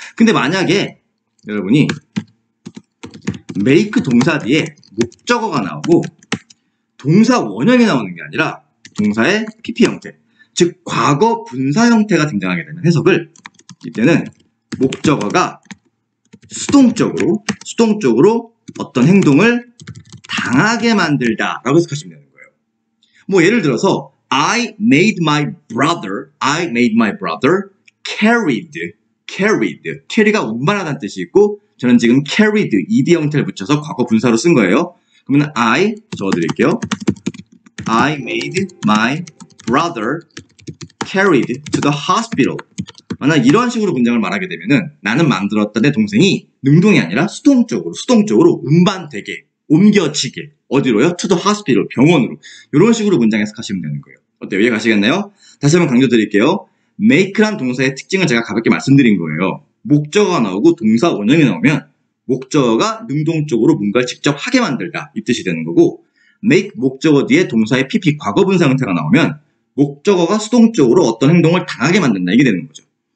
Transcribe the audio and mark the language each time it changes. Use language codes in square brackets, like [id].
[ko] 근데 만약에 여러분이 make 동사 뒤에 목적어가 나오고 동사 원형이 나오는 게 아니라 동사의 PP 형태, 즉 과거 분사 형태가 등장하게 되면 해석을 이때는 목적어가 수동적으로 어떤 행동을 당하게 만들다 라고 해석하시면 되는 거예요. [en] 뭐 예를 들어서 I made my brother carried. [ko] carry가 운반하다는 뜻이 있고 저는 지금 carried, ed 형태를 붙여서 과거 분사로 쓴 거예요. 그러면 I 적어드릴게요. [en] I made my brother carried to the hospital. [ko] 만약 이런 식으로 문장을 말하게 되면은 나는 만들었다 내 동생이 능동이 아니라 수동적으로 운반되게 옮겨지게 어디로요? [en] To the hospital, [ko] 병원으로. 이런 식으로 문장 해석하시면 되는 거예요. 어때요? 이해 가시겠나요? 다시 한번 강조드릴게요. make란 동사의 특징을 제가 가볍게 말씀드린 거예요. 목적어가 나오고 동사 원형이 나오면 목적어가 능동적으로 뭔가를 직접 하게 만들다 이 뜻이 되는 거고 make 목적어 뒤에 동사의 PP 과거분사 형태가 나오면 목적어가 수동적으로 어떤 행동을 당하게 만든다 이게 되는 거죠.